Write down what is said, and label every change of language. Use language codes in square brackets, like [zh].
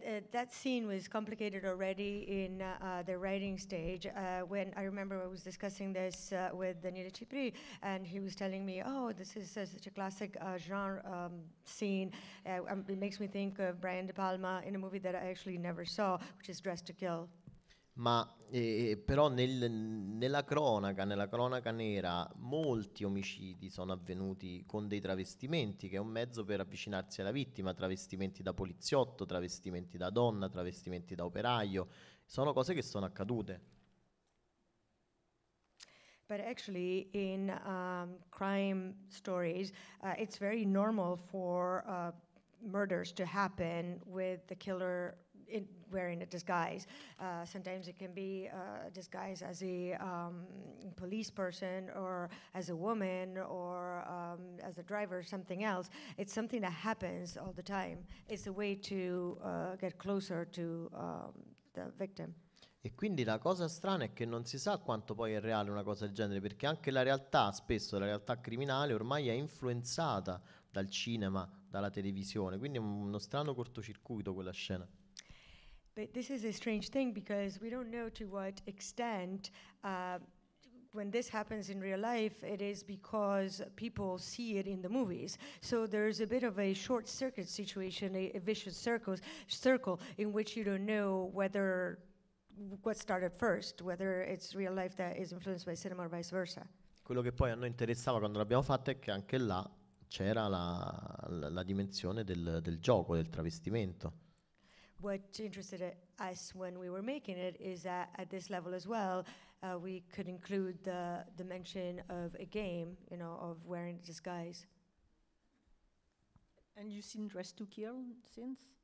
[en] That scene was complicated already in the writing stage. When I remember I was discussing this with Daniele Cipri, and he was telling me, this is such a classic genre scene. It makes me think of Brian De Palma in a movie that I actually never saw, which is Dressed to Kill. [it] Ma però nella cronaca nera, molti omicidi sono avvenuti con dei travestimenti, che è un mezzo per avvicinarsi alla vittima, travestimenti da poliziotto, travestimenti da donna, travestimenti da operaio, sono cose che sono accadute. [en] But actually, in crime stories, it's very normal for murders to happen with the killer wearing a disguise. Sometimes it can be disguised as a police person or as a woman or as a driver or something else. It's something that happens all the time. It's a way to get closer to the victim. E [it] E quindi la cosa strana è che non si sa quanto poi è reale una cosa del genere, perché anche la realtà, spesso la realtà criminale, ormai è influenzata dal cinema, dalla televisione, quindi è uno strano cortocircuito quella scena. [en] But this is a strange thing because we don't know to what extent when this happens in real life, it is because people see it in the movies. So there's a bit of a short circuit situation, a vicious circle in which you don't know whether what started first, whether it's real life that is influenced by cinema or vice versa. [it] Quello che poi a noi interessava quando l'abbiamo fatto è che anche là c'era la dimensione del gioco, del travestimento. [en] What interested us when we were making it is that at this level as well, we could include the dimension of a game, you know, of wearing a disguise. And you've seen Dress to Kill since?